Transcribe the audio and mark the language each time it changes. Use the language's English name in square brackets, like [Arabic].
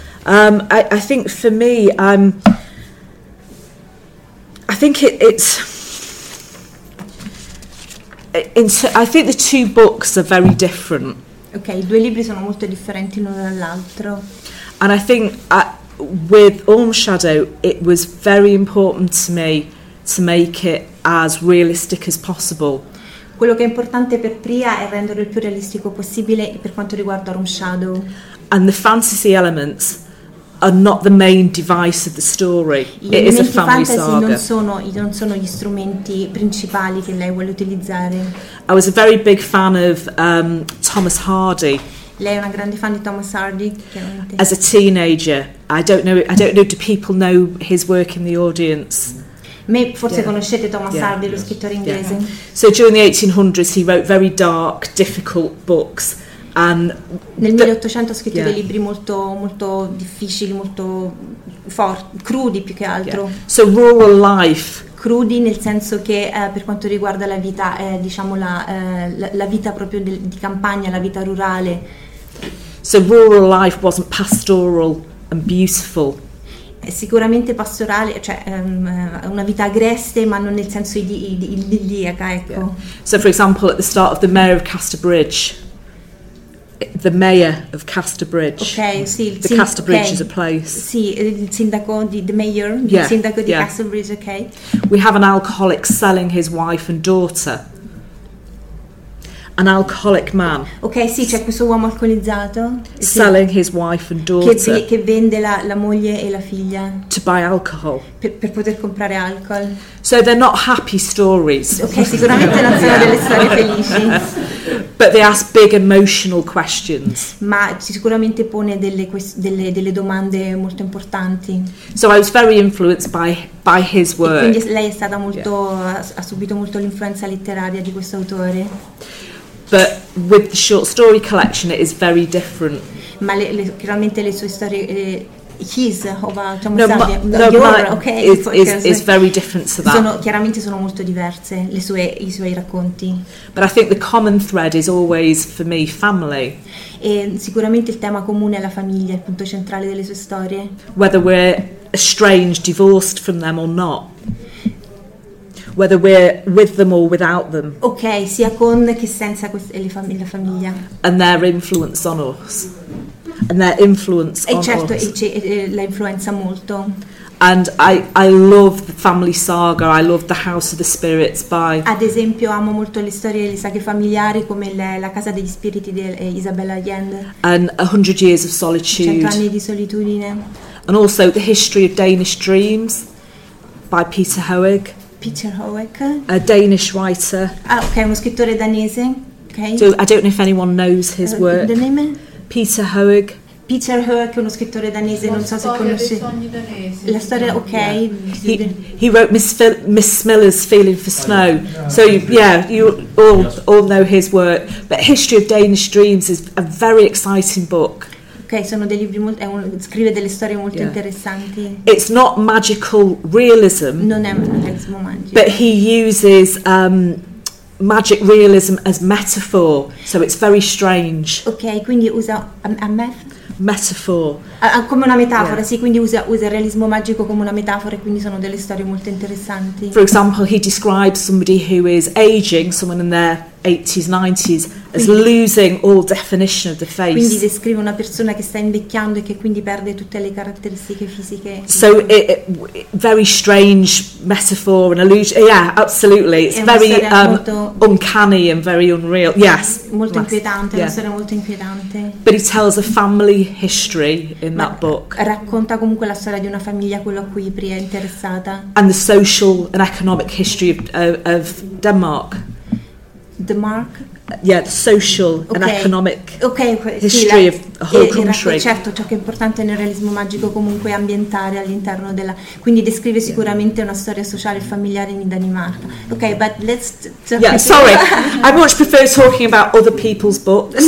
[English] I think for me, I think the two books are very different. [Italian] Okay, due libri sono molto differenti l'uno dall'altro. [English] And I think... with Orm Shadow, it was very important to me to make it as realistic as possible. [Italian] Quello che è importante per Priya è renderlo il più realistico possibile per quanto riguarda Orm Shadow. [English] And the fantasy elements are not the main device of the story. It is a family saga. [Italian] Non sono gli strumenti principali che lei vuole utilizzare. [English] I was a very big fan of Thomas Hardy. [Italian] Lei è una grande fan di Thomas Hardy, chiaramente. [English] As a teenager, I don't know, do people know his work in the audience? [Italian] Me forse conoscete Thomas Hardy, lo scrittore inglese. [English] So during the 1800s he wrote very dark, difficult books. [Italian] Nel 1800 ha scritto dei libri molto molto difficili, molto crudi più che altro. [English] Yeah. So rural life. [Italian] Crudi nel senso che per quanto riguarda la vita, diciamo la vita proprio di campagna, la vita rurale. [English] So rural life wasn't pastoral and beautiful. [Italian] Sicuramente pastorale, cioè una vita agreste, ma non nel senso idilliaca, ecco. [English] Yeah. So for example at the start of the Mayor of Casterbridge. The Mayor of Casterbridge. [Italian] Okay, sì, [English] the Casterbridge is a place. [Italian] Sì, il sindaco di [English] the mayor, [Italian] il sindaco di Casterbridge, okay. [English] We have an alcoholic selling his wife and daughter. An alcoholic man. [Italian] Okay, sì, c'è questo uomo alcolizzato. [English] Selling his wife and daughter. [Italian] Che vende la moglie e la figlia. [English] To buy alcohol. [Italian] Per poter comprare alcol. [English] So they're not happy stories. [Italian] Okay, sicuramente non sono delle storie felici. [English] But they ask big emotional questions. [Italian] Ma sicuramente pone delle domande molto importanti. [English] So I was very influenced by his work. [Italian] E quindi lei è stata molto ha subito molto l'influenza letteraria di questo autore. [English] But with the short story collection it is very different. [Italian] Ma chiaramente le sue storie is [English] very different to that. [Italian] Sono chiaramente molto diverse i suoi racconti. [English] But I think the common thread is always for me family. [Italian] E sicuramente il tema comune è la famiglia, il punto centrale delle sue storie. [English] Whether we're estranged, divorced from them or not. Whether we're with them or without them. [Italian] Okay, sia con che senza la famiglia. [English] And their influence on us. And their influence on us. [Italian] E certo, la influenza molto. [English] And I love the family saga, I love the House of the Spirits by... [Italian] Ad esempio, amo molto le storie delle saghe familiari come la Casa degli Spiriti di Isabella Allende. [English] And 100 Years of Solitude. [Italian] 100 anni di solitudine. [English] And also The History of Danish Dreams by Peter Hoeg. Peter Hoeg. A Danish writer. [Italian] Ah, ok, uno scrittore danese. Okay. [English] So I don't know if anyone knows his work. The name? Peter Hoeg. [Italian] Peter Hoeg, uno scrittore danese, non so se conosce. La storia, ok. [English] He wrote Miss Smiller's Feeling for Snow. So you all know his work. But History of Danish Dreams is a very exciting book. [Italian] Ok, sono dei libri molto. Scrive delle storie molto interessanti. [English] It's not magical realism. [Italian] Non è realismo magico. [English] But he uses magic realism as metaphor, so it's very strange. [Italian] Ok, quindi usa [English] metaphor. [Italian] Come una metafora, sì, quindi usa il realismo magico come una metafora e quindi sono delle storie molto interessanti. [English] For example, he describes somebody who is aging, someone in their 80s, 90s, as losing all definition of the face. [Italian] Quindi descrive una persona che sta invecchiando e che quindi perde tutte le caratteristiche fisiche. [English] So, very strange metaphor and allusion. Yeah, absolutely. It's very uncanny and very unreal. Yes. [Italian] Molto inquietante, una storia molto inquietante. [English] But he tells a family history in that book. [Italian] Racconta comunque la storia di una famiglia, quello a cui Pri è interessata. [English] And the social and economic history of Denmark. Denmark? Yeah, the social and economic history of a whole country. [Italian] Certo, ciò che è importante nel realismo magico comunque è ambientare all'interno della... Quindi descrive sicuramente una storia sociale e familiare in Danimarca. [English] Okay, but let's... I much prefer talking about other people's books.